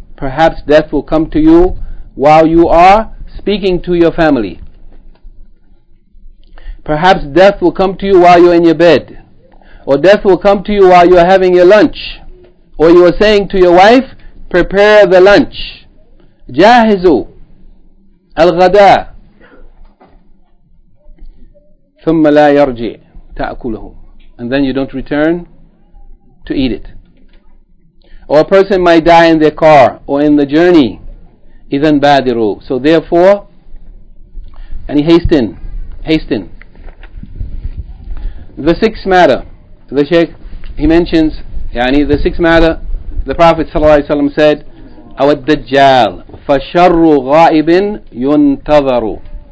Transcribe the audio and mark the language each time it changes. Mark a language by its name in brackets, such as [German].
[English] Perhaps death will come to you while you are speaking to your family. Perhaps death will come to you while you're in your bed. Or death will come to you while you're having your lunch. Or you are saying to your wife, prepare the lunch. [Arabic] جاهزوا الغداء ثم لا يرجع تأكله. [English] And then you don't return to eat it. Or a person might die in their car or in the journey. [Arabic] إذن بادروا. [English] So therefore, and hasten. The sixth matter, the Shaykh, he mentions, yani the sixth matter, the Prophet ﷺ said, [Arabic] أَوَ الدَّجَّالُ فَشَرُّ غَائِبٍ يُنْتَظَرُ.